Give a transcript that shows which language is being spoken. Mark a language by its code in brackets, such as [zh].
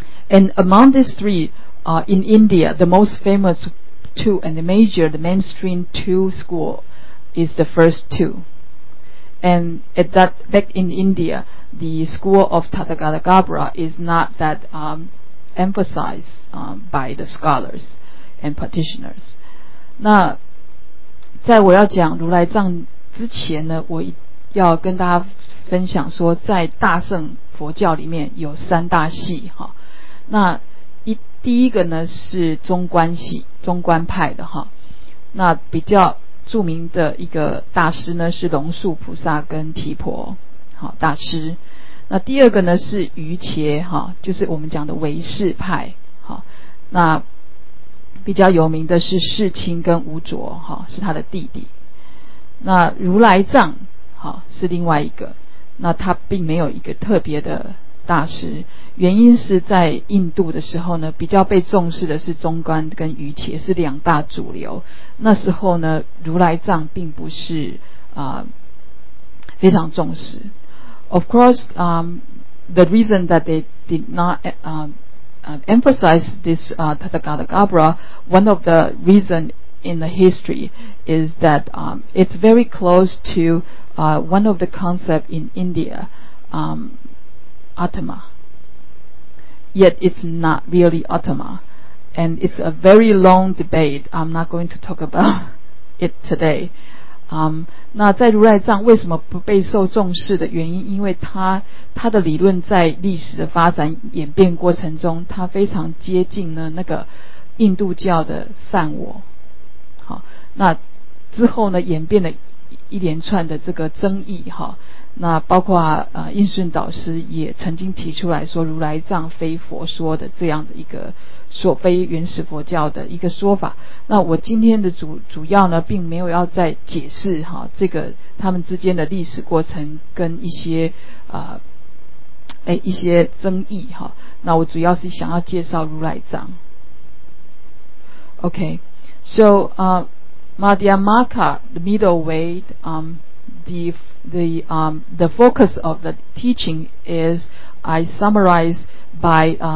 [en] And among these three, in India, the most famous two and the mainstream two school is the first two. And at that, back in India, the school of Tathagatagarbha is not that emphasized by the scholars and practitioners. [zh] 那在我要讲如来藏之前呢，我要跟大家分享说，在大乘佛教里面有三大系哈。那第一个呢是中观系，中观派的哈。那比较著名的一个大师呢是龙树菩萨跟提婆大师。那第二个呢是瑜伽，就是我们讲的唯识派，那比较有名的是世亲跟无着，是他的弟弟。那如来藏是另外一个，那他并没有一个特别的大师，原因是在印度的时候呢比较被重视的是中观跟瑜伽是两大主流，那时候呢如来藏并不是非常重视。 [en] Of course the reason that they did not emphasize this Tathagatagarbha, one of the reason in the history is that it's very close to one of the concept in India, Atma, yet it's not really Atma, and it's a very long debate. I'm not going to talk about it today. [zh] 那在如来藏为什么不被受重视的原因，因为它的理论在历史的发展演变过程中，它非常接近了那个印度教的善我。好，那之后呢演变了一连串的这个争议哈。那包括印顺导师也曾经提出来说，如来藏非佛说的这样的一个说，非原始佛教的一个说法。那我今天的主要呢并没有要再解释这个他们之间的历史过程跟一些争议那我主要是想要介绍如来藏。 [en] OK, so Madhyamaka, the middle way, the focus of the teaching is I summarize by